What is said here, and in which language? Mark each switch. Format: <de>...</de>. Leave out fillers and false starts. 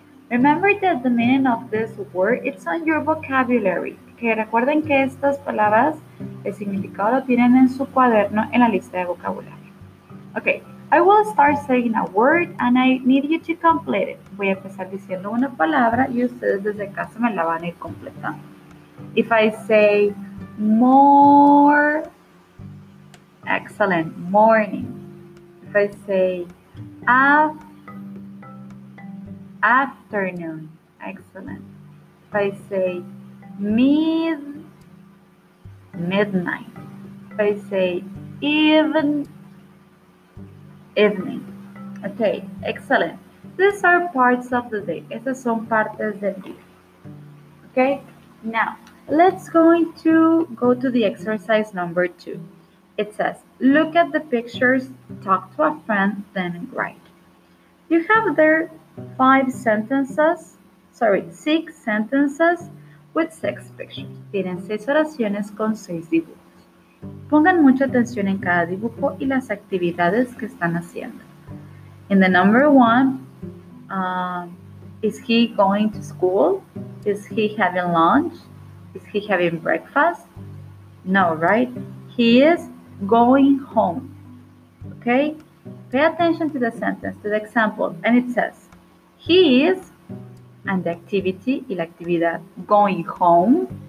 <en>Remember that the meaning of this word, it's on your vocabulary.</en> <es>Que recuerden que estas palabras, el significado lo tienen en su cuaderno, en la lista de vocabulario.</es> <en>Okay, I will start saying a word and I need you to complete it.</en> <es>Voy a empezar diciendo una palabra y ustedes desde casa me la van a ir completando.</es> <en>If I say more, excellent, morning. If I say afternoon, excellent. If I say midnight. If I say evening. Okay, excellent. These are parts of the day.</en> <es>Estas son partes del día.</es> <en>Okay, now. Let's going to go to the exercise number 2. It says, look at the pictures, talk to a friend, then write. You have there six sentences with 6 pictures.</en> <es>Tienen 6 oraciones con 6 dibujos. Pongan mucha atención en cada dibujo y las actividades que están haciendo.</es> <en>In the number 1, is he going to school? Is he having lunch? Is he having breakfast? No, right? He is going home. Okay? Pay attention to the sentence, to the example. And it says, he is, and the activity,</en> <es>y la actividad,</es> <en>going home.</en>